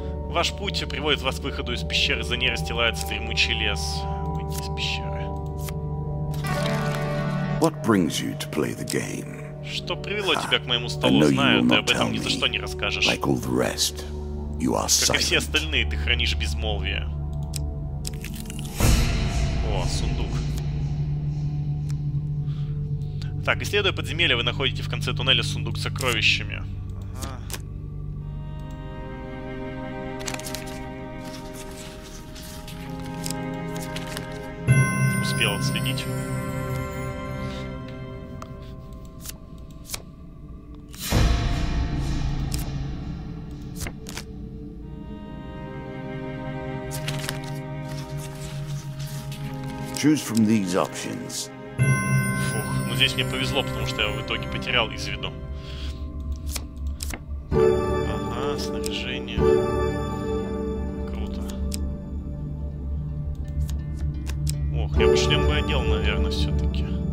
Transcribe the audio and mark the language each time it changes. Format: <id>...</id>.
<ru>Ваш путь приводит вас к выходу из пещеры. За ней расстилается дремучий лес. Выйти из пещеры.</ru> <en>What brings you to play the game?</en> <ru>Что привело тебя к моему столу, знаю, ты об этом ни за что не расскажешь.</ru> <en>Like all the rest, you are silent.</en> <ru>Как и все остальные, ты хранишь безмолвие. О, сундук. Так, исследуя подземелье, вы находите в конце туннеля сундук с сокровищами. Ага. Успел отследить.</ru> <en>Choose from these options.</en> <ru>Здесь мне повезло, потому что я в итоге потерял из виду. Ага, снаряжение. Круто. Ох, я бы шлем бы одел, наверное, все-таки.</ru>